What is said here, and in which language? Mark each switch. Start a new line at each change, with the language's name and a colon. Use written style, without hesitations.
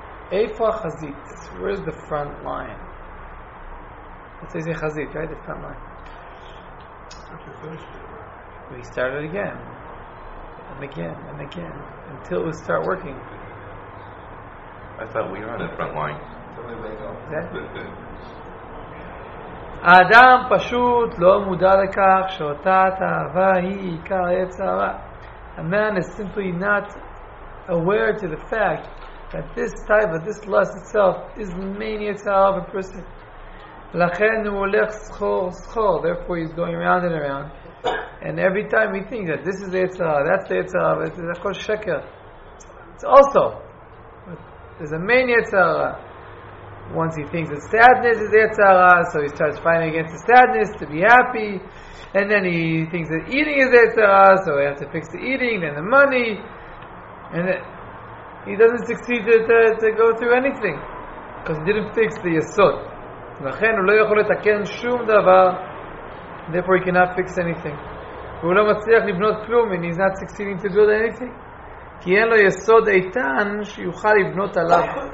Hebrew: Eifa Chazit,
English: where's the front line? It says Chazit, right? The front line. We started again, and again, and again, until we start working. I thought we were on the front line. Until we wake up.
Hebrew: האדם פשוט לא מודע לכך שאותה תאווה היא עיקר היצרה.
English: A man is simply not aware to the fact that this type of this lust itself is the main yetzirah of a person.
Hebrew: לכן הוא הולך סחור סחור,
English: therefore he's going round and round. And every time he thinks that this is the yetzirah, that's the yetzirah, but it's a
Hebrew: kol sheker.
English: It's also, there's a main yetzirah. Once he thinks that sadness is Yetzara, so he starts fighting against the sadness to be happy. And then he thinks that eating is Yetzara, so he has to fix the eating, then the money. And he doesn't succeed to go through anything. Because he didn't fix the Yesod.
Hebrew: לכן הוא לא יכול לתקן שום דבר.
English: Therefore he cannot fix anything.
Hebrew: והוא לא מצליח לבנות כלום,
English: and he's not succeeding to build anything.
Hebrew: כי אין לו יסוד איתן שיוכל לבנות עליו.